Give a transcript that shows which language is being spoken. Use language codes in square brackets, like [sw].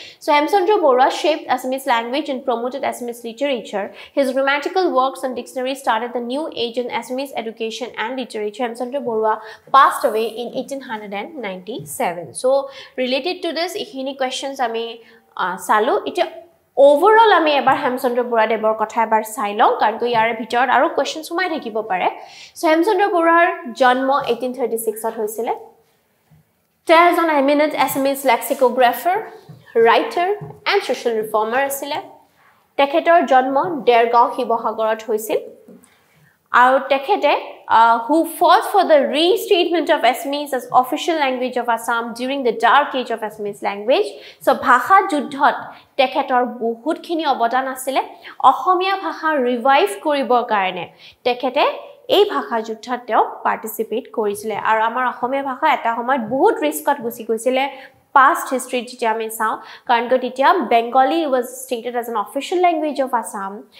[en] So Hemchandra Barua shaped Assamese language and promoted Assamese literature. His grammatical works and dictionary started the new age in Assamese education and literature. Hemchandra Barua passed away in 1897। So related to this [as] এইখিনি question আমি চালো। এতিয়া overall আমি এবার হেমচন্দ্র বৰুৱাদেৱৰ কথা এবার চাই লো, কারণ ইয়ার ভিতর আরো কোয়েশন সুমাই থাকিব পারে। সো হেমচন্দ্র বৰুৱাৰ জন্ম 1836 হৈছিল। তেওঁ এজন [en] eminent Assamese lexicographer, writer and social reformer [as] আছিলে। তেখেতৰ জন্ম দেৰগাঁও শিবসাগৰত হৈছিল আৰু তেখেতে [en] Who fight for the restatement of Assamese as official language of Assam during the dark age of Assamese language. [as] So ভাষা যুদ্ধত তেখেতৰ বহুতখিনি অবদান আছিলে অসমীয়া ভাষা রিভাইভ কৰিবৰ কাৰণে। তেখেতে এই ভাষা যুদ্ধত তেওঁ পার্টিসিপেট কৰিছিলে আৰু আমাৰ অসমীয়া ভাষা এটা সময়ত বহুত রিস্কত গুচি গৈছিলে পাষ্ট হিষ্ট্ৰীত যেতিয়া আমি চাওঁ, কাৰণ কিয় তেতিয়া [en] Bengali was stated as an official language of Assam.